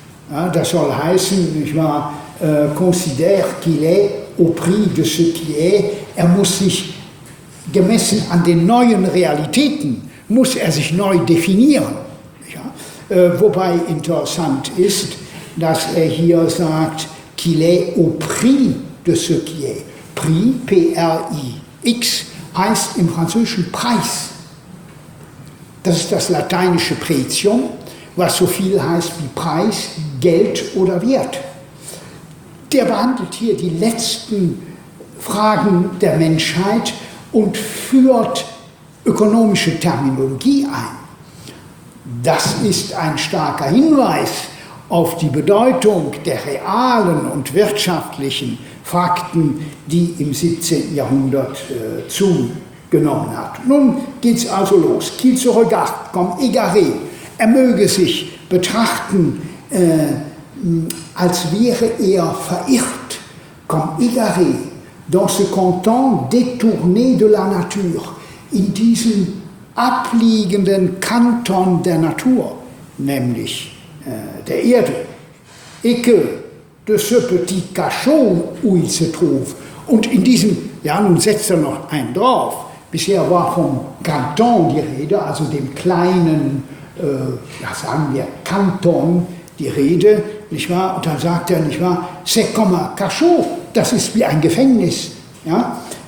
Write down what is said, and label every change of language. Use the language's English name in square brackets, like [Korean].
[German] Ja, das soll heißen, ich war [French] considère qu'il est au prix de ce qui est. [German] Er muss sich gemessen an den neuen Realitäten, muss er sich neu definieren. Wobei interessant ist, dass er hier sagt, [French] qu'il est au prix de ce qui est. [German] Prix, P-R-I-X, heißt im Französischen Preis. Das ist das lateinische Pretium, was so viel heißt wie Preis, Geld oder Wert. Der behandelt hier die letzten Fragen der Menschheit und führt ökonomische Terminologie ein. Das ist ein starker Hinweis auf die Bedeutung der realen und wirtschaftlichen Fakten, die im 17. Jahrhundert zugenommen hat. Nun geht's also los. [French] Qui se regarde comme égaré. [German] Er möge sich betrachten, als wäre er verirrt. [French] Comme égaré dans ce canton détourné de la nature. [German] In diesem abliegenden Kanton der Natur, nämlich der Erde. [French] Et que de ce petit cachot où il se trouve. [German] Und in diesem, ja, nun setzt er noch einen drauf. Bisher war vom Kanton die Rede, also dem kleinen, sagen wir, Kanton die Rede, nicht wahr? Und dann sagt er, nicht wahr, [French] c'est comme un cachot, [German] das ist wie ein Gefängnis, ja?